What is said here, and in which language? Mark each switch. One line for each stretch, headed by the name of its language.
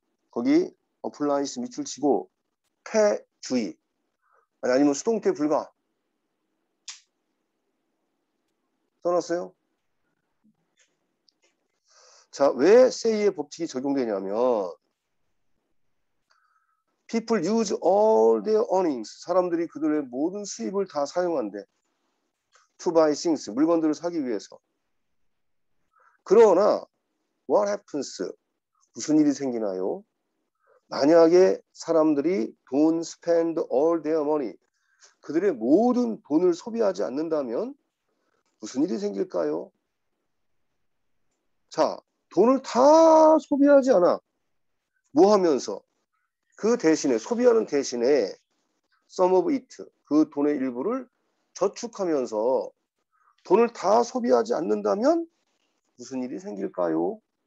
Korean: 거기 applies 밑줄 치고 폐 주의 아니면 수동태 불가 떠났어요? 자, 왜 세이의 법칙이 적용되냐면
English: People use all their earnings.
Korean: 사람들이 그들의 모든 수입을 다 사용한대.
English: To buy things.
Korean: 물건들을 사기 위해서. 그러나
English: What happens?
Korean: 무슨 일이 생기나요? 만약에 사람들이
English: don't spend all their money.
Korean: 그들의 모든 돈을 소비하지 않는다면 무슨 일이 생길까요? 자, 돈을 다 소비하지 않아. 뭐 하면서? 그 대신에, 소비하는 대신에
English: some of it,
Korean: 그 돈의 일부를 저축하면서 돈을 다 소비하지 않는다면 무슨 일이 생길까요?